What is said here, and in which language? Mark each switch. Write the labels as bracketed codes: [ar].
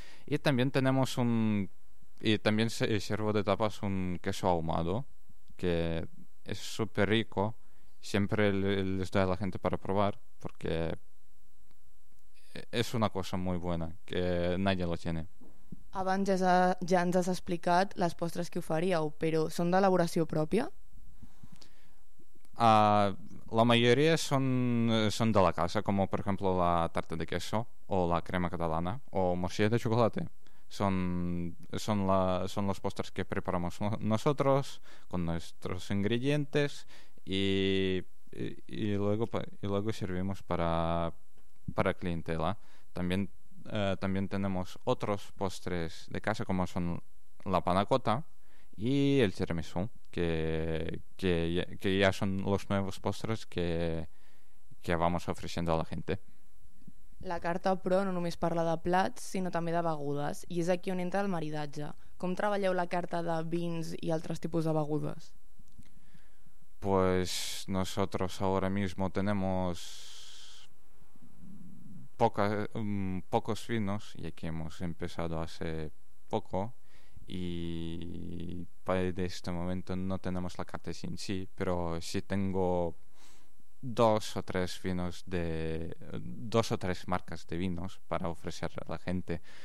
[es] Y también tenemos sirvo de tapas un queso ahumado que es súper rico. Siempre les doy a la gente para probar porque es una cosa muy buena que nadie lo tiene. [ca] Abans ja ens has explicat les postres que oferíeu, però són d'elaboració pròpia? [es] La mayoría son de la casa, como por ejemplo la tarta de queso o la crema catalana o morcilla de chocolate. Son los postres que preparamos nosotros con nuestros ingredientes y luego servimos para clientela. También tenemos otros postres de casa como son la panna cotta y el tiramisú que ya son los nuevos postres que vamos ofreciendo a la gente. [ca] La carta pro no només parla de plats sinó també de begudes i és aquí on entra el maridatge. Com treballeu la carta de vins i altres tipus de begudes? [es] Pues nosotros ahora mismo tenemos pocos vinos, ya que hemos empezado hace poco, y de este momento no tenemos la carta en sí, pero sí tengo dos o tres marcas de vinos para ofrecer a la gente.